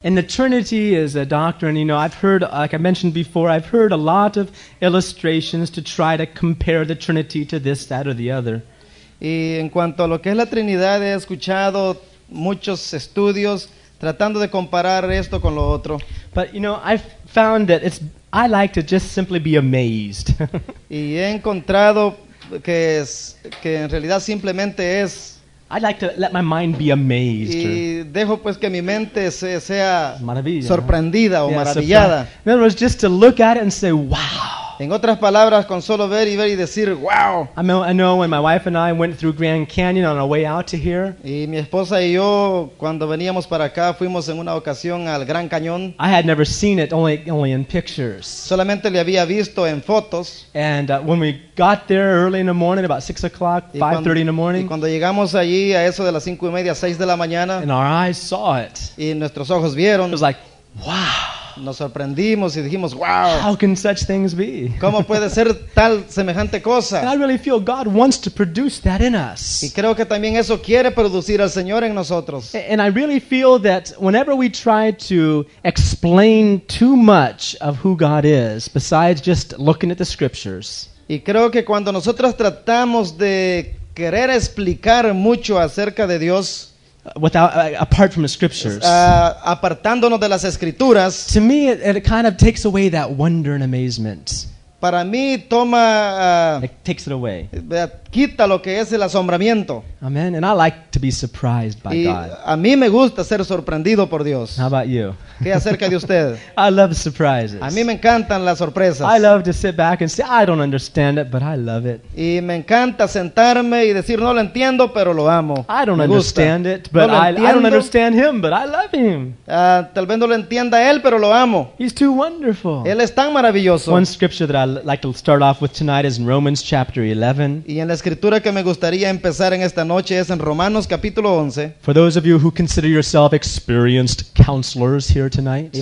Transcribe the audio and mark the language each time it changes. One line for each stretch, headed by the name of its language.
English: And the Trinity is a doctrine, you know, I've heard, like I mentioned before, I've heard a lot of illustrations to try to compare the Trinity to this, that, or the other.
Spanish: Y en cuanto a lo que es la Trinidad, he escuchado muchos estudios tratando de comparar esto con lo otro.
English: But, you know, I've found that it's, I like to just simply be amazed.
Spanish: Y he encontrado que es, que en realidad simplemente es.
English: I'd like to let my mind be amazed.
Spanish: Y dejo pues que mi mente sea sorprendida o maravillada.
English: In other words, just to look at it and say, wow.
Spanish: En otras palabras, con solo ver y ver y decir, wow.
English: I know when my wife and I went through Grand Canyon on our way out to here.
Spanish: Y mi esposa y yo, cuando veníamos para acá, fuimos en una ocasión al Gran Cañón.
English: I had never seen it, only in pictures.
Spanish: Solamente le había visto en fotos.
English: And when we got there early in the morning, about 6 o'clock, 5:30 in the morning.
Spanish: Y cuando llegamos allí, a eso de las 5 y media, 6 de la mañana.
English: And our eyes saw it.
Spanish: Y nuestros ojos vieron.
English: It was like, wow.
Spanish: Nos sorprendimos y dijimos, wow.
English: How can such things be?
Spanish: ¿Cómo puede ser tal semejante cosa?
English: And I really feel God wants to produce that in us.
Spanish: Y creo que también eso quiere producir al Señor en nosotros.
English: And I really feel that whenever we try to explain too much of who God is, besides just looking at the scriptures.
Spanish: Y creo que cuando nosotros tratamos de querer explicar mucho acerca de Dios,
English: apart from the scriptures.
Spanish: Apartándonos de las escrituras.
English: To me, it kind of takes away that wonder and amazement.
Spanish: Para mí, toma.
English: It takes it away.
Spanish: Quita lo que es el asombramiento.
English: Amen. And I like to be surprised by
Spanish: y
English: God.
Spanish: A mí me gusta ser sorprendido por Dios.
English: How about you?
Spanish: ¿Qué acerca de usted?
English: I love surprises.
Spanish: A mí me encantan las sorpresas.
English: I love to sit back and say, I don't understand it, but I love it.
Spanish: Y me encanta sentarme y decir, no lo entiendo, pero lo amo.
English: I don't understand it, but
Spanish: no
English: I don't understand him, but I love him.
Spanish: Tal vez no lo entienda él, pero lo amo.
English: He's too wonderful.
Spanish: Él es tan maravilloso.
English: One scripture that I like to start off with tonight is in Romans chapter 11.
Spanish: Y en la escritura que me gustaría empezar en esta noche es en Romanos capítulo 11.
English: For those of you who consider yourself experienced counselors here tonight.